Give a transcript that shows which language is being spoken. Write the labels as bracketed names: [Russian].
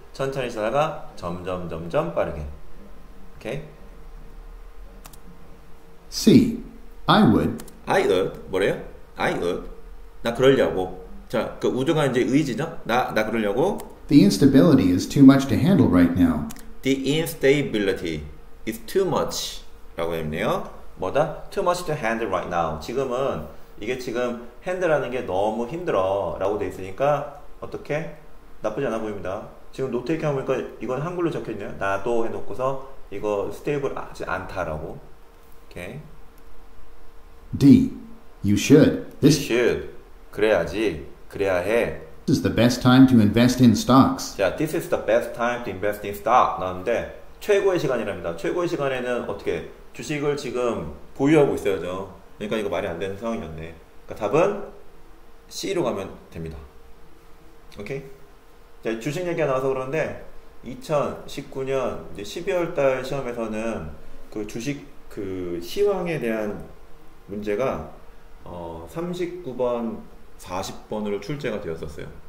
[Korean] 천천히 살다가 점점 빠르게. [English] Okay? C. I would. I would. [Korean] 뭐래요? [English] I would. [Korean] 나 그러려고. 자, 그 우주가 이제 의지죠? 나 그러려고. [English] The instability is too much to handle right now. The instability is too much. [Korean] 라고 했네요. 뭐다? [English] Too much to handle right now. [Korean] 지금은 이게 지금 handle하는 게 너무 힘들어. 라고 돼 있으니까 어떻게? 나쁘지 않아 보입니다. 지금 노트에 이렇게 해보니까 이건 한글로 적혀있네요. 나도 해놓고서 이거 스테이블 하지 않다라고. 오케이. [English] D. You should. This you should. [Korean] 그래야지. 그래야 해. [English] This is the best time to invest in stocks. [Korean] 자, [English] this is the best time to invest in stocks. [Korean] 나왔는데 최고의 시간이랍니다. 최고의 시간에는 어떻게 주식을 지금 보유하고 있어야죠. 그러니까 이거 말이 안 되는 상황이었네. 그러니까 답은 C로 가면 됩니다. 오케이. 자, 주식 얘기가 나와서 그러는데 2019년 이제 12월 달 시험에서는 그 주식 그 시황에 대한 문제가 39번, 40번으로 출제가 되었었어요.